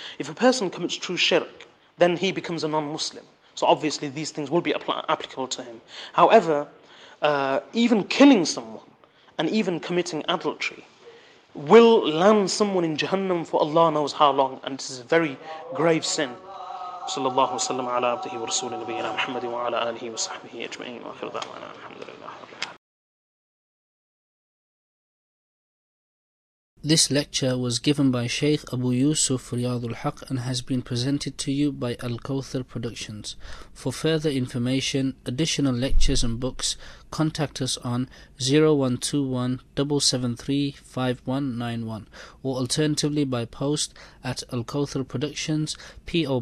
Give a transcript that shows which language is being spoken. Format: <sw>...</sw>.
<en>If a person commits true shirk, then he becomes a non-Muslim. So obviously these things will be applicable to him. However, even killing someone and even committing adultery will land someone in Jahannam for Allah knows how long, and this is a very grave sin.</en> <ar>صلى الله وسلم على عبده ورسول نبينا محمد وعلى آله وصحبه أجمعين وآخر دعوانا الحمد لله.</ar> <en>This lecture was given by Sheikh Abu Yusuf Riyadul Haq and has been presented to you by Al Kawthar Productions. For further information, additional lectures and books, contact us on 0121-773-5191 or alternatively by post at Al Kawthar Productions, P.O.</en>